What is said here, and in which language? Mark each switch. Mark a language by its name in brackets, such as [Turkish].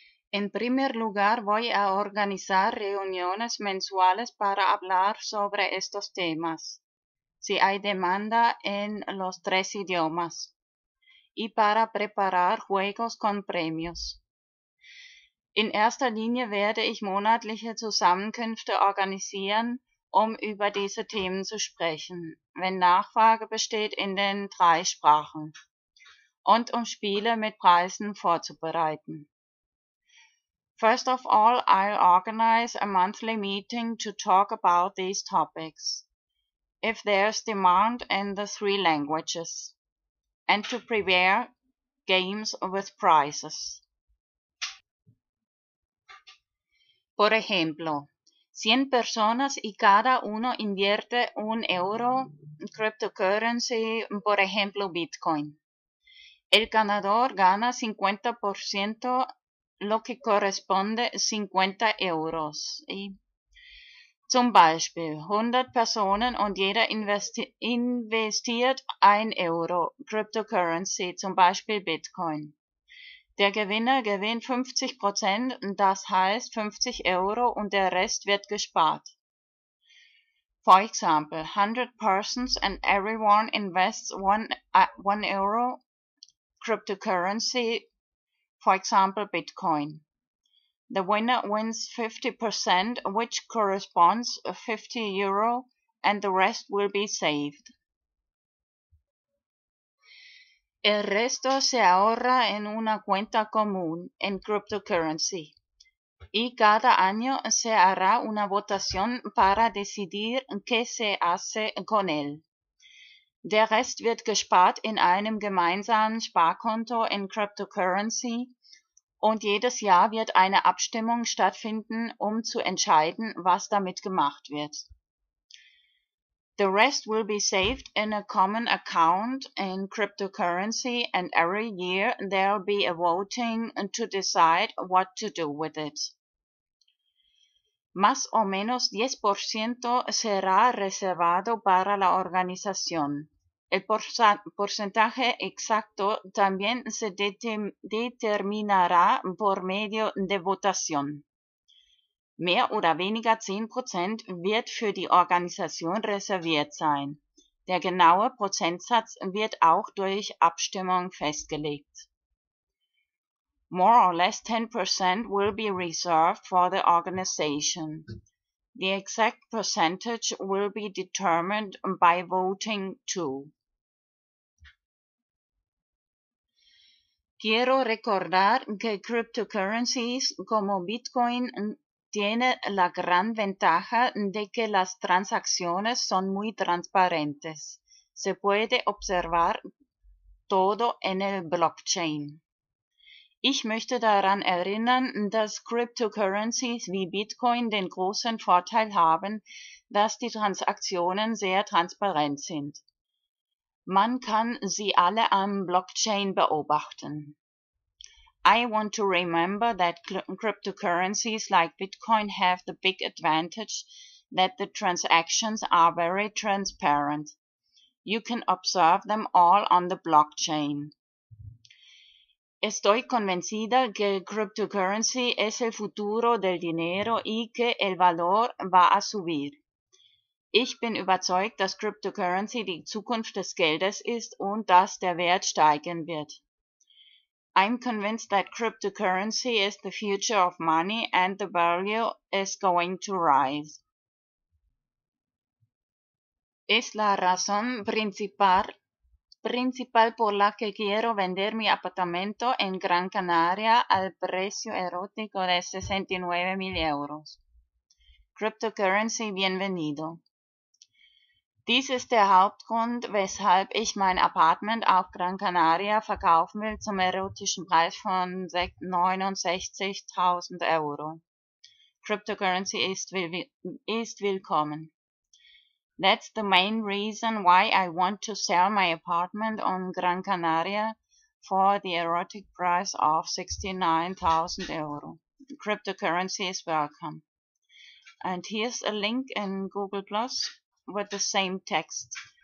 [Spanish] En primer lugar, voy a organizar reuniones mensuales para hablar sobre estos temas, si hay demanda en los tres idiomas, y para preparar juegos con premios. [German] In erster Linie werde ich monatliche Zusammenkünfte organisieren, um über diese Themen zu sprechen, wenn Nachfrage besteht in den drei Sprachen, und um Spiele mit Preisen vorzubereiten. [English] First of all, I'll organize a monthly meeting to talk about these topics, if there's demand in the three languages, and to prepare games with prizes. [Spanish] Por ejemplo, 100 personas y cada uno invierte un euro en cryptocurrency, por ejemplo Bitcoin. El ganador gana 50%, lo que corresponde 50 euros. [German] Y zum Beispiel 100 Personen und jeder investiert 1 Euro Cryptocurrency, zum Beispiel Bitcoin. Der Gewinner gewinnt 50%, das heißt 50 Euro und der Rest wird gespart. [English] For example, 100 persons and everyone invests 1 Euro Cryptocurrency, for example Bitcoin. The winner wins 50%, which corresponds to 50 euro, and the rest will be saved. [Spanish] El resto se ahorra en una cuenta común, en cryptocurrency. Y cada año se hará una votación para decidir qué se hace con él. [German] Der Rest wird gespart in einem gemeinsamen Sparkonto in cryptocurrency. Und jedes Jahr wird eine Abstimmung stattfinden, um zu entscheiden, was damit gemacht wird. [English] The rest will be saved in a common account in cryptocurrency and every year there'll be a voting to decide what to do with it. [Spanish] Más o menos 10% será reservado para la organización. El porcentaje exacto también se determinará por medio de votación. [German] Mehr oder weniger 10% wird für die Organisation reserviert sein. Der genaue Prozentsatz wird auch durch Abstimmung festgelegt. [English] more or less 10% will be reserved for the organization. The exact percentage will be determined by voting too. [Spanish] Quiero recordar que cryptocurrencies como Bitcoin tiene la gran ventaja de que las transacciones son muy transparentes. Se puede observar todo en el blockchain. [German] Ich möchte daran erinnern, dass Cryptocurrencies wie Bitcoin den großen Vorteil haben, dass die Transaktionen sehr transparent sind. Man kann sie alle am Blockchain beobachten. [English] I want to remember that cryptocurrencies like Bitcoin have the big advantage that the transactions are very transparent. You can observe them all on the blockchain. [Spanish] Estoy convencida que cryptocurrency es el futuro del dinero y que el valor va a subir. [German] Ich bin überzeugt, dass cryptocurrency die Zukunft des Geldes ist und dass der Wert steigen wird. [English] I'm convinced that cryptocurrency is the future of money and the value is going to rise. [Spanish] Es la razón principal por la que quiero vender mi apartamento en Gran Canaria al precio erótico de 69.000 euros. Cryptocurrency, bienvenido. [German] Dies ist der Hauptgrund, weshalb ich mein Apartment auf Gran Canaria verkaufen will zum erotischen Preis von 69.000 Euro. Cryptocurrency ist willkommen. [English] That's the main reason why I want to sell my apartment on Gran Canaria for the erotic price of 69.000 euro. Cryptocurrency is welcome. And here's a link in Google Plus with the same text.